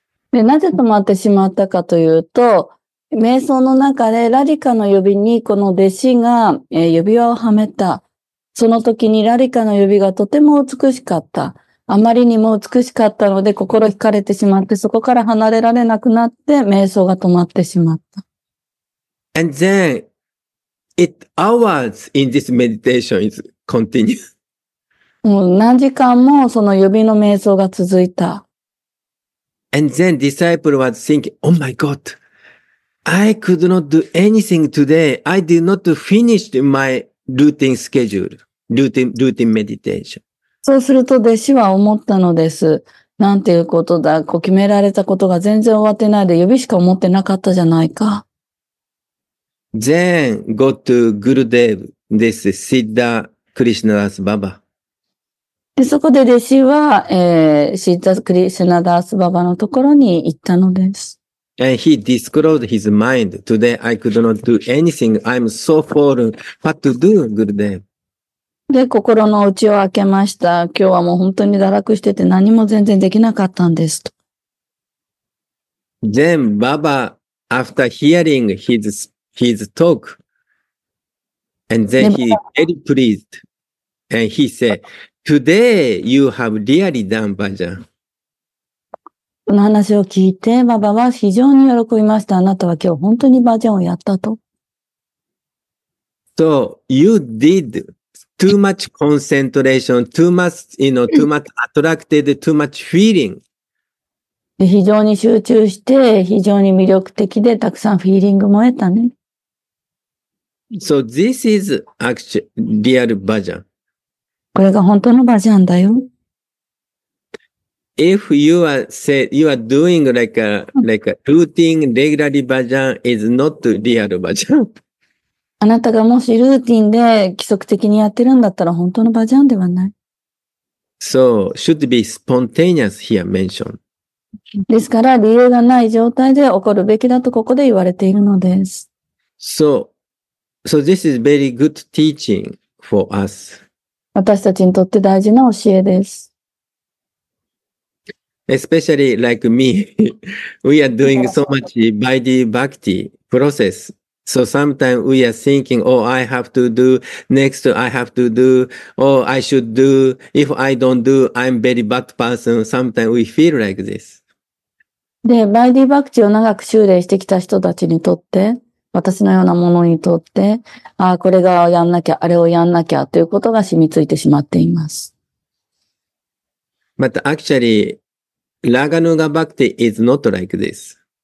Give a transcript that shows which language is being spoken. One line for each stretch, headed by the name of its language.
Japanese: で、なぜ止まってしまったかというと、瞑想の中でラディカの指にこの弟子が指輪をはめた。その時にラディカの指がとても美しかった。あまりにも美しかったので心惹かれてしまって、そこから離れられなくなって瞑想が止まってしまった。
English: And then, it hours in this meditation is continue.
Japanese: もう何時間もその指の瞑想が続いた。
English: And then disciple was thinking, oh my God, I could not do anything today. I did not finish my routine schedule, routine meditation.
Japanese: そうすると弟子は思ったのです。なんていうことだ。こう決められたことが全然終わってないで、指しか思ってなかったじゃないか。
English: Then go to Gurudev, this Siddha Krishnadas Baba.
Japanese: でそこで弟子は、シッダ・クリシュナ・ダース・ババのところに行ったのです。
English: And he disclosed his mind. Today I could not do anything. I'm so fallen. What to do, Gurudev?
Japanese: で、心の内を開けました。今日はもう本当に堕落してて何も全然できなかったんですと。
English: Then Baba, after hearing his talk, and then he very pleased, and he said,Today, you have really done bhajan.
Japanese: この話を聞いて、ババは非常に喜びました。あなたは今日本当にバジャンをやったと。
English: So, you did too much concentration, too much, you know, too much attracted, too much feeling.
Japanese: 非常に集中して、非常に魅力的で、たくさんフィーリングも得たね。
English: So, this is actually real bhajan.
Japanese: これが本当のバジャンだよ。
English: If you are said you are doing like a routine regularly バジャン is not real バジャン。
Japanese: あなたがもしルーティンで規則的にやってるんだったら本当のバジャンではない。
English: So should be spontaneous here mention.
Japanese: ですから理由がない状態で起こるべきだとここで言われているのです。
English: So this is very good teaching for us.
Japanese: 私たちにとって大事な教えです。
English: Especially like me, we are doing so much Vaidhi Bhakti process. So sometimes we are thinking, oh, I have to do, next I have to do, oh, I should do. If I don't do, I'm very bad person. Sometimes we feel like this.
Japanese: で、Vaidhi Bhakti を長く修練してきた人たちにとって、私のようなものにとって、ああ、これがやんなきゃ、あれをやんなきゃということが染みついてしまっています。
English: But actually, Raganuga Bhakti is not like this.